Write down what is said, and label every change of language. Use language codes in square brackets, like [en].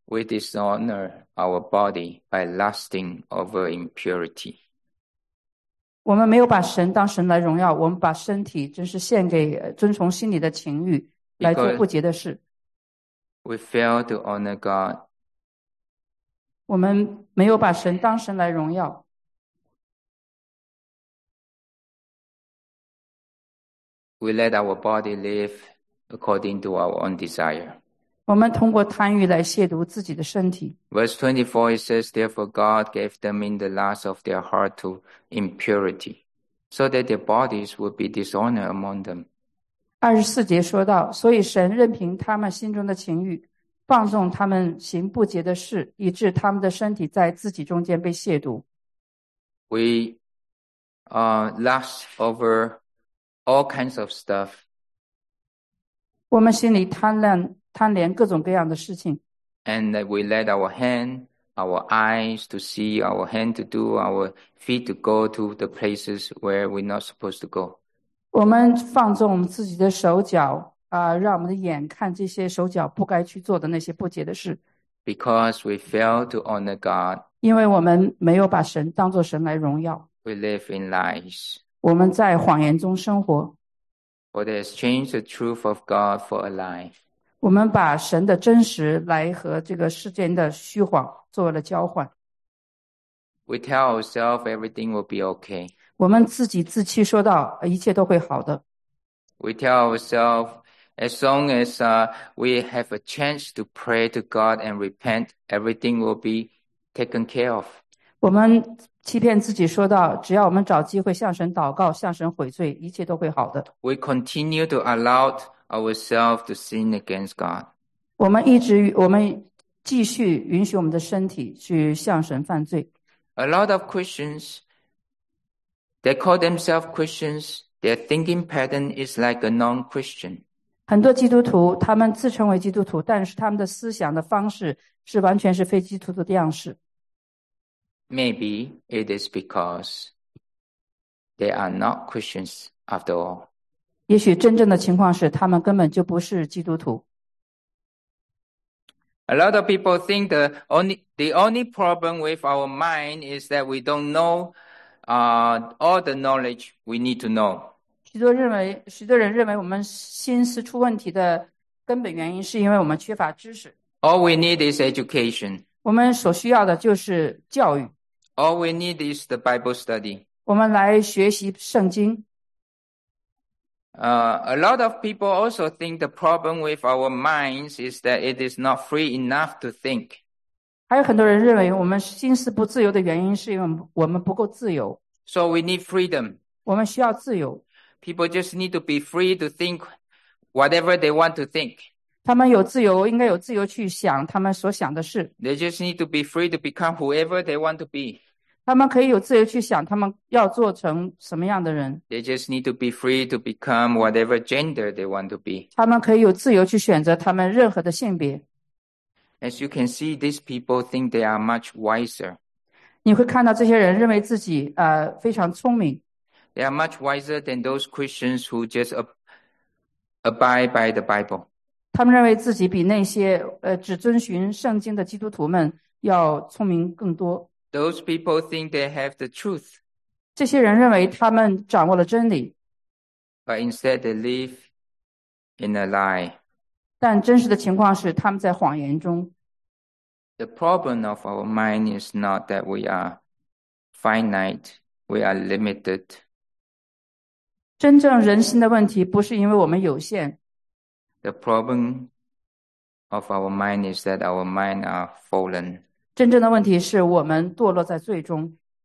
[en] We dishonor our body by lusting over impurity. [zh] 我们没有把神当神来荣耀，我们把身体真是献给遵从心里的情欲来做不洁的事。 [en] We fail to honor God. [zh] 我们没有把神当神来荣耀。 [en] We let our body live according to our own desire. [zh] 我们通过贪欲来亵渎自己的身体。 [en] Verse 24, it says, therefore God gave them in the lust of their heart to impurity, so that their bodies would be dishonored among them. [zh] 24节说到，所以神任凭他们心中的情欲，放纵他们行不洁的事，以致他们的身体在自己中间被亵渎。 [en] We lust over all kinds of stuff. [zh] 我们心里贪恋各种各样的事情。 [en] And we let our hand, our eyes to see, our hand to do, our feet to go to the places where we're not supposed to go. [zh] 我们放纵我们自己的手脚让我们的眼看这些手脚不该去做的那些不洁的事。 [en] Because we fail to honor God. [zh] 因为我们没有把神当作神来荣耀。 [en] We live in lies. [zh] 我们在谎言中生活。 [en] For they exchange the truth of God for a lie. [zh] 我们把神的真实来和这个世间的虚谎做了交换。 [en] We tell ourselves everything will be okay. [zh] 我们自己自欺说道，一切都会好的。 [en] We tell ourselves, as long as we have a chance to pray to God and repent, everything will be taken care of. [zh] 我们欺骗自己说道，只要我们找机会向神祷告，向神悔罪，一切都会好的。 [en] We continue to allow ourselves to sin against God. [zh] 我们继续允许我们的身体去向神犯罪。 [en] A lot of Christians, they call themselves Christians, their thinking pattern is like a non-Christian. [zh] 很多基督徒，他们自称为基督徒，但是他们的思想的方式是完全是非基督徒的样式。 [en] Maybe it is because they are not Christians after all. [zh] 也许真正的情况是他们根本就不是基督徒。 [en] A lot of people think the only problem with our mind is that we don't know all the knowledge we need to know. [zh] 许多人认为我们心思出问题的根本原因是因为我们缺乏知识。 [en] All we need is education. [zh] 我们所需要的就是教育。 [en] All we need is the Bible study. [zh] 我们来学习圣经。 [en] A lot of people also think the problem with our minds is that it is not free enough to think. [zh] 还有很多人认为我们心思不自由的原因是因为我们不够自由。 [en] So we need freedom. [zh] 我们需要自由。 [en] People just need to be free to think whatever they want to think. [zh] 他们有自由，应该有自由去想他们所想的事。 [en] They just need to be free to become whoever they want to be. [zh] 他们可以有自由去想他们要做成什么样的人。 [en] They just need to be free to become whatever gender they want to be. [zh] 他们可以有自由去选择他们任何的性别。 [en] As you can see, these people think they are much wiser. [zh] 你会看到这些人认为自己非常聪明。 [en] They are much wiser than those Christians who just abide by the Bible. [zh] 他们认为自己比那些只遵循圣经的基督徒们要聪明更多。 [en] Those people think they have the truth. [zh] 这些人认为他们掌握了真理。 [en] But instead they live in a lie. [zh] 但真实的情况是他们在谎言中。 [en] The problem of our mind is not that we are finite, we are limited. [zh] 真正人心的问题不是因为我们有限。 [en] The problem of our mind is that our mind are fallen. [zh] 真正的问题是我们堕落在罪中。